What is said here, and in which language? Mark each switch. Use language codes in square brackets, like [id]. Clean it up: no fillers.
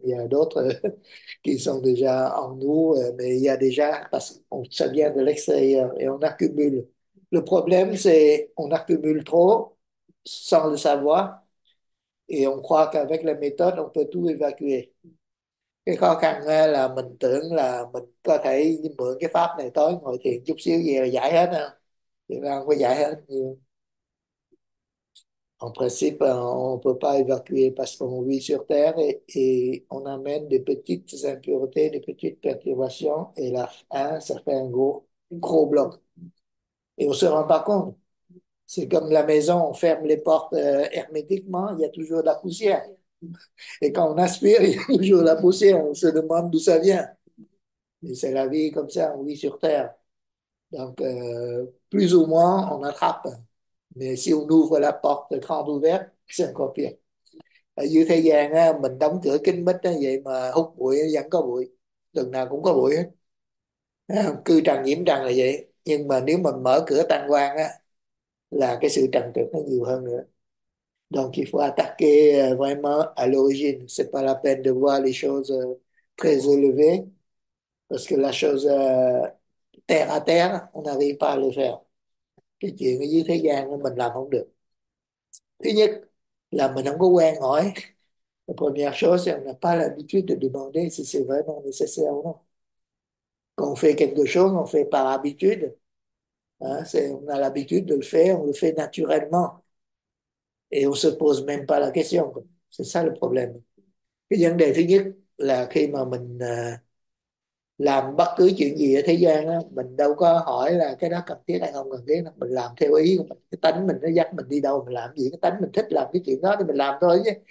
[fr] Il y a d'autres qui sont déjà en nous, mais il y a déjà, parce qu'on se vient de l'extérieur et on accumule. Le problème, c'est qu'on accumule trop sans le savoir et on croit qu'avec la méthode, on peut tout évacuer. [vi] Cái khó khăn là mình tưởng là mình có thể mượn cái pháp này tới ngồi thiền chút xíu về là giải hết ha. Thì ra không có giải hết nhiều. [fr] En principe, on peut pas évacuer parce qu'on vit sur Terre et on amène des petites impuretés, des petites perturbations et là, hein, ça fait un gros bloc. Et on se rend pas compte. C'est comme la maison, on ferme les portes hermétiquement, il y a toujours de la poussière. Et quand on aspire, il y a toujours la poussière, on se demande d'où ça vient. Mais c'est la vie comme ça, on vit sur Terre. Donc, plus ou moins, on attrape. Mais si on ouvre la porte grande ouverte, c'est encore pire. [vi] Ở dưới thế gian, á, mình đóng cửa kín mít á, vậy mà hút bụi vẫn có bụi. Lần nào cũng có bụi hết. Cư trần nhiễm trần là vậy. Nhưng mà nếu mình mở cửa tam quan á, là cái sự trần trược nó nhiều hơn nữa. [fr] Donc, il faut attaquer vraiment à l'origine. C'est pas la peine de voir les choses très élevées, parce que la chose terre à terre, on n'arrive pas à le faire. [vi] Cái chuyện ở dưới thế gian mình làm không được. Thứ nhất là mình không có quen hỏi. [fr] La première chose, on n'a pas l'habitude de demander si c'est vraiment nécessaire ou non. Quand on fait quelque chose, on fait par habitude. Hein, on a l'habitude de le faire, on le fait naturellement. Et on se pose même pas la question. C'est ça le problème. [vi] Cái vấn đề thứ nhất là khi mà mình làm bất cứ chuyện gì ở thế gian đó, mình đâu có hỏi là cái đó cần thiết hay không cần thiết. Mình làm theo ý của mình. Cái tánh mình nó dắt mình đi đâu mình làm gì. Cái tánh mình thích làm cái chuyện đó thì mình làm thôi chứ.